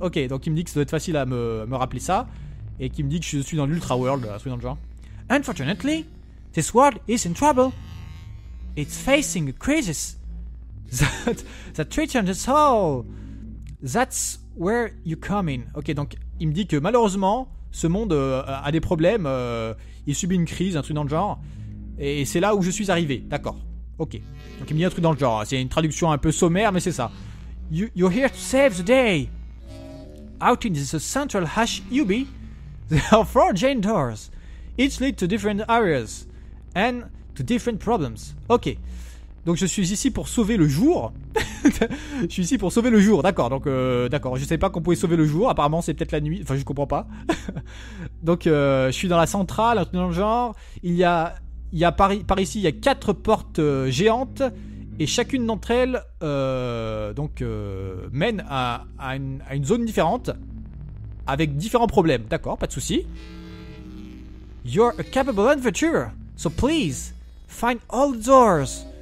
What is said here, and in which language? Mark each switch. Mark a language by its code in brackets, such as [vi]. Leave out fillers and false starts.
[fr] Ok, donc il me dit que ça doit être facile à me rappeler ça. Et qui me dit que je suis dans l'Ultra World, un truc dans le genre. [en] Unfortunately, this world is in trouble. It's facing a crisis that threatens us all. That's where you come in. [fr] Ok, donc il me dit que malheureusement, ce monde a des problèmes. Il subit une crise, un truc dans le genre. Et c'est là où je suis arrivé. D'accord. Ok. Donc il me dit un truc dans le genre. C'est une traduction un peu sommaire, mais c'est ça. [en] You're here to save the day. Out in the central hash UB, there are four giant doors. Each lead to different areas and to different problems. Ok. [fr] Donc je suis ici pour sauver le jour. Je suis ici pour sauver le jour, d'accord. Donc d'accord, je savais pas qu'on pouvait sauver le jour. Apparemment c'est peut-être la nuit, enfin je comprends pas. Donc je suis dans la centrale, un truc dans le genre. Il y a par ici, il y a quatre portes géantes. Et chacune d'entre elles mène à une zone différente, avec différents problèmes. D'accord, pas de soucis. [en] You're a capable adventurer, so please find all the doors.